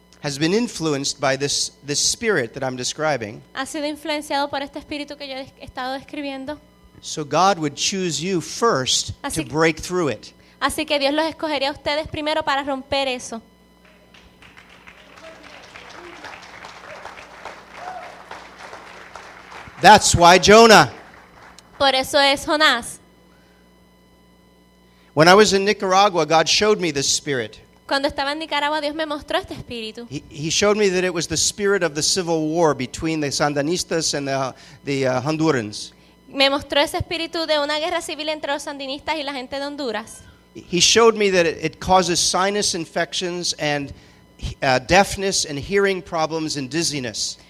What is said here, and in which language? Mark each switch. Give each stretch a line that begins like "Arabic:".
English: has been influenced by this spirit that I'm describing?
Spanish: Ha sido influenciado por este espíritu que yo he estado describiendo.
English: So God would choose you first to break through it.
Spanish: Así que Dios los escogería a ustedes primero para romper eso.
English: That's why Jonah.
Spanish: Por eso es Jonás.
English: When I was in Nicaragua, God showed me this spirit.
Spanish: Cuando estaba en Nicaragua, Dios me mostró este espíritu.
English: He showed me that it was the spirit of the civil war between the Sandinistas and the Hondurans.
Spanish: Me mostró ese espíritu de una guerra civil entre los sandinistas y la gente de Honduras.
English: He showed me that it causes sinus infections and deafness and hearing problems and dizziness.